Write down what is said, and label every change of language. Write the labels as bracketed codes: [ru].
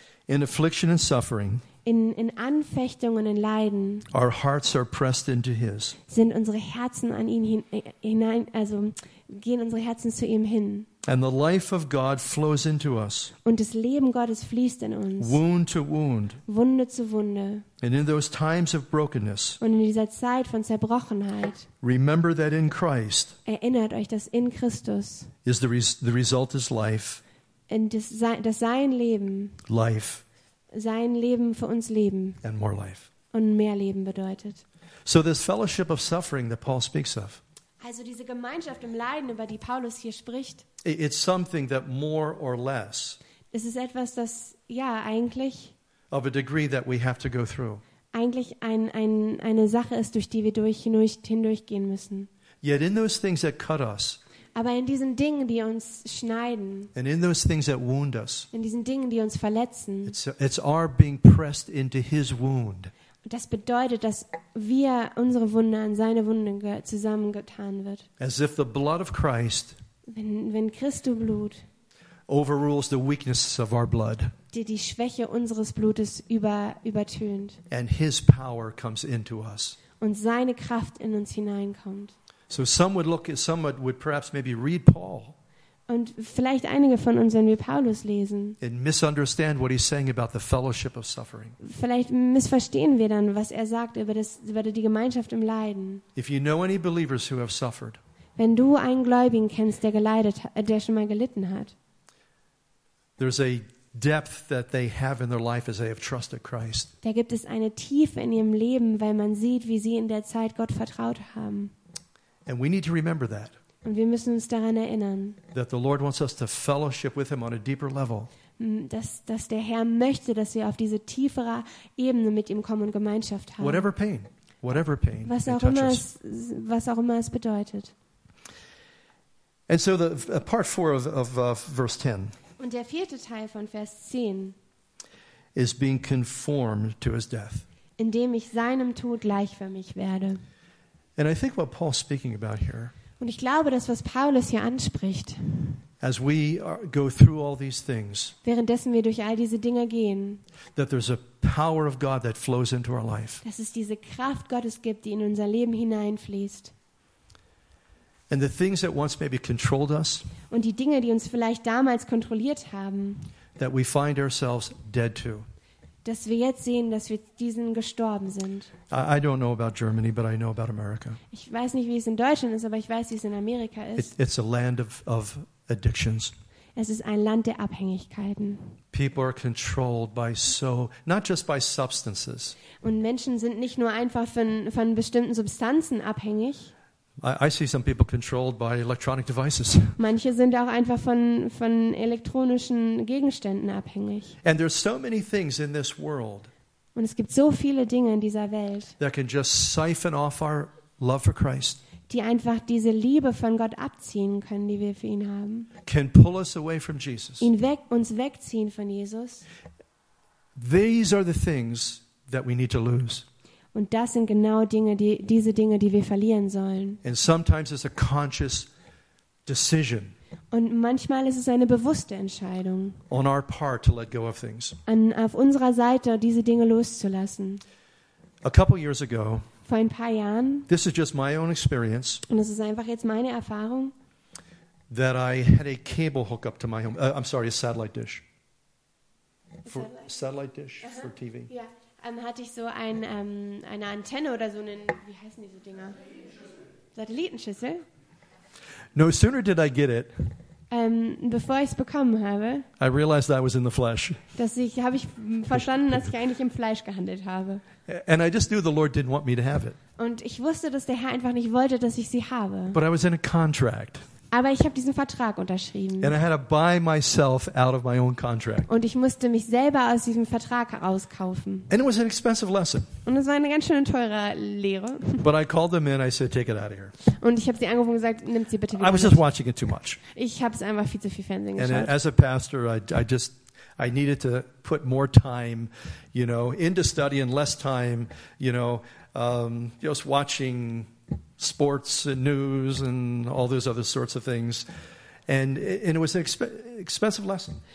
[en] In affliction and suffering. [de] In Anfechtungen und in Leiden. [en] Our hearts are pressed into his. [de] Sind unsere Herzen an ihn hinein, also gehen unsere Herzen zu ihm hin. [en] And the life of God flows into us. [de] Und das Leben Gottes fließt in uns. [en] Wound to wound. [de] Wunde zu Wunde. [en] And in those times of brokenness. [de] Und in dieser Zeit von Zerbrochenheit. [en] Remember that in Christ. [de] Erinnert euch, dass in Christus. [en] Is the result is life. [de] Und das sein Leben. [en] Life. [de] Sein Leben für uns Leben. [en] And more life. [de] Und mehr Leben bedeutet. [en] So this fellowship of suffering that Paul speaks of. [de] Also diese Gemeinschaft im Leiden, über die Paulus hier spricht. [en] It's something that more or less. [de] Es ist etwas, das ja eigentlich. [en] Of a degree that we have to go through. [de] Eigentlich eine Sache ist, durch die wir hindurchgehen müssen. [en] Yet in those things that cut us. [de] Aber in diesen Dingen, die uns schneiden. [en] And in those things that wound us. [de] In diesen Dingen, die uns verletzen. [en] It's our being pressed into his wound. [de] Das bedeutet, dass wir unsere Wunde an seine Wunde zusammengetan wird. [en] As if the blood of Christ. [de] Wenn Christus Blut [en] overrules the weakness of our blood. [de] Die Schwäche unseres Blutes übertönt. [en] And his power comes into us. [de] Und seine Kraft in uns hineinkommt. [en] So some would perhaps maybe read Paul. [de] und vielleicht einige von uns, wenn wir Paulus lesen. [en] And misunderstand what he's saying about the fellowship of suffering. [de] Vielleicht missverstehen wir dann, was er sagt über das, über die Gemeinschaft im Leiden. [en] If you know any believers who have suffered. [de] Wenn du einen Gläubigen kennst, der geleidet, der schon mal gelitten hat. [en] There's a depth that they have in their life as they have trusted Christ. [de] Da gibt es eine Tiefe in ihrem Leben, weil man sieht, wie sie in der Zeit Gott vertraut haben. [en] And we need to remember that. [de] Und wir müssen uns daran erinnern, [en] that the Lord wants us to fellowship with him on a deeper level. [de] Dass der Herr möchte, dass wir auf diese tiefere Ebene mit ihm kommen und Gemeinschaft haben. [en] Whatever pain [de] was auch immer es bedeutet. [en] And so the part 4 of verse 10. [de] Und der vierte Teil von Vers 10 [en] is being conformed to his death. [de] Indem ich seinem Tod gleichförmig werde. [en] And I think what Paul's speaking about here. [de] Und ich glaube, das, was Paulus hier anspricht. [en] As we go through all these things. [de] Währenddessen wir durch all diese Dinge gehen. [en] That there's a power of God that flows into our life. [de] Dass es diese Kraft Gottes gibt, die in unser Leben hineinfließt. [en] And the things that once maybe controlled us. [de] Und die Dinge, die uns vielleicht damals kontrolliert haben. [en] That we find ourselves dead to. [de] Dass wir jetzt sehen, dass wir diesen gestorben sind. [en] I don't know about Germany, but I know about America. [de] Ich weiß nicht, wie es in Deutschland ist, aber ich weiß, wie es in Amerika ist. [en] It's a land of addictions. [de] Es ist ein Land der Abhängigkeiten. [en] People are controlled by so, not just by substances. [de] Und Menschen sind nicht nur einfach von bestimmten Substanzen abhängig. [en] I see some people controlled by electronic devices. [de] Manche sind auch einfach von elektronischen Gegenständen abhängig. [en] And there's so many things in this world. [de] Und es gibt so viele Dinge in dieser Welt. [en] That can just siphon off our love for Christ. [de] Die einfach diese Liebe von Gott abziehen können, die wir für ihn haben. [en] Can pull us away from Jesus. [de] Uns wegziehen von Jesus. [en] These are the things that we need to lose. [de] Und das sind genau Dinge, diese Dinge, die wir verlieren sollen. [en] And sometimes it's a conscious decision. [de] Und manchmal ist es eine bewusste Entscheidung. [en] On our part to let go of things. [de] Auf unserer Seite diese Dinge loszulassen. [en] A couple years ago. [de] Vor ein paar Jahren. [en] This is just my own experience. [de] Und es ist einfach jetzt meine Erfahrung. [en] That I had a cable hook up to my home. I'm sorry, a satellite dish. Satellite dish for TV. Yeah. [de] Hatte ich so eine Antenne oder so einen, wie heißen diese Dinger? Satellitenschüssel? [en] No sooner did I get it. [de] Bevor ich es bekommen habe. [en] I realized I was in the flesh. [de] Habe ich verstanden, dass ich eigentlich im Fleisch gehandelt habe. [en] And I just knew the Lord didn't want me to have it. [de] Und ich wusste, dass der Herr einfach nicht wollte, dass ich sie habe. [en] But I was in a contract. [de] Aber ich habe diesen Vertrag unterschrieben. [en] And I had to buy myself out of my own contract. [de] Und ich musste mich selber aus diesem Vertrag herauskaufen. [en] And it was an expensive lesson. [de] Und es war eine ganz schöne teure Lehre. [en] But I called them in, I said, take it out of here. [de] Und ich habe sie angerufen und gesagt, nimm sie bitte wieder. [en] I was just watching it too much. [de] Ich habe es einfach viel zu viel Fernsehen geschaut. [en] And as a pastor, I needed to put more time, you know, into study and less time, you know, just watching sports and news and all those other sorts of things, and it was an expensive lesson.